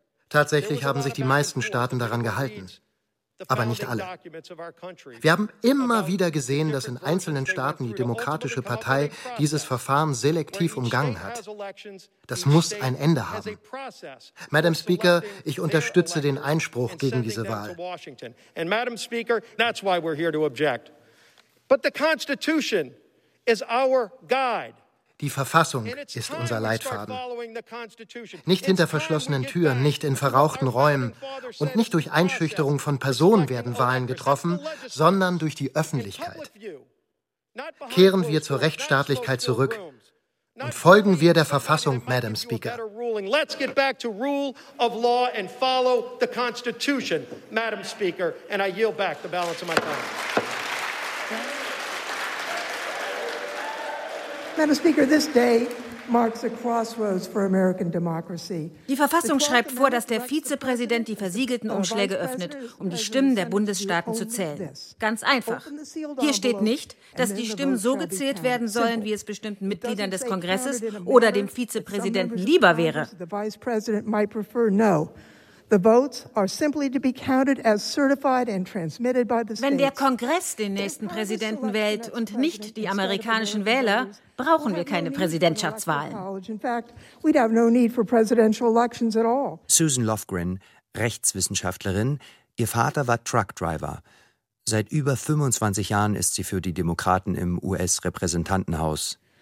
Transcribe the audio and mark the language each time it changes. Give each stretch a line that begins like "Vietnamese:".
German: Tatsächlich haben sich die meisten Staaten daran gehalten. Aber nicht alle. Wir haben immer wieder gesehen, dass in einzelnen Staaten die Demokratische Partei dieses Verfahren selektiv umgangen hat. Das muss ein Ende haben. Madam Speaker, ich unterstütze den Einspruch gegen diese Wahl.
English: And Madam Speaker, that's why we're here to object. But the Constitution is our guide.
German: Die Verfassung ist unser Leitfaden. Nicht hinter verschlossenen Türen, nicht in verrauchten Räumen und nicht durch Einschüchterung von Personen werden Wahlen getroffen, sondern durch die Öffentlichkeit. Kehren wir zur Rechtsstaatlichkeit zurück und folgen wir der Verfassung, Madam Speaker.
English: Let's get back to rule of law and follow the Constitution, Madam Speaker, and I yield back the balance of my time. Madam Speaker, this day marks a crossroads for American democracy.
German: Die Verfassung schreibt vor, dass der Vizepräsident die versiegelten Umschläge öffnet, um die Stimmen der Bundesstaaten zu zählen. Ganz einfach. Hier steht nicht, dass die Stimmen so gezählt werden sollen, wie es bestimmten Mitgliedern des Kongresses oder dem Vizepräsidenten lieber wäre.
English: The Vice President might prefer no. The votes are simply to be counted as certified and transmitted by the states.
German: Wenn der Kongress den nächsten Präsidenten wählt und nicht die amerikanischen Wähler, brauchen wir keine Präsidentschaftswahlen.
English: In fact, we'd have no need for presidential elections at all.
German: Susan Lofgren, Rechtswissenschaftlerin, ihr Vater war Truckdriver. Seit über 25 Jahren ist sie für die Demokraten im US-Repräsentantenhaus.